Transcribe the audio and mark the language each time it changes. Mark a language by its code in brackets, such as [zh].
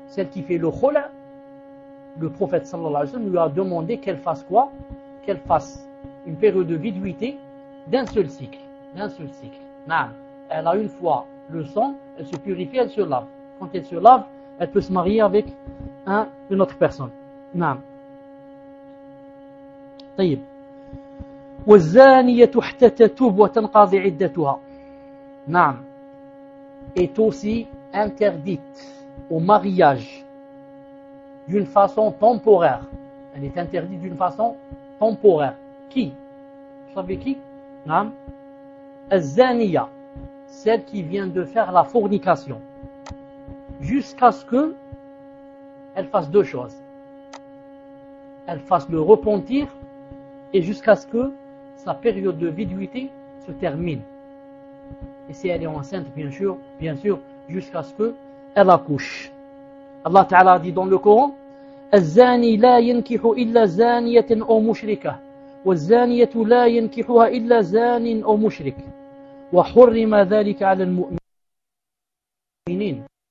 [fr] Celle qui fait le khola, le prophète sallallahu alayhi wa sallam lui a demandé qu'elle fasse quoi? Qu'elle fasse une période de viduité d'un seul cycle. Non, elle a une fois le sang, elle se purifie, elle se lave. Quand elle se lave, elle peut se marier avec une autre personne. Non. [ar] طيب. والزانية حتى تتوب وتنقضي عدتها. نعم. [fr] Est aussi interdite au mariage d'une façon temporaire. Elle est interdite d'une façon temporaire. Qui? Vous savez qui? Nam. Azaniya, celle qui vient de faire la fornication, jusqu'à ce que elle fasse 2 choses. Elle fasse le repentir et jusqu'à ce que sa période de viduité se termine. Et si elle est enceinte, bien sûr, jusqu'à ce qu'elle accouche. Allah Ta'ala dit dans le Coran, [ar] الزاني لا ينكح إلا زانية أو مشركة والزانية لا ينكحها إلا زان أو مشرك وحرم ذلك على المؤمنين.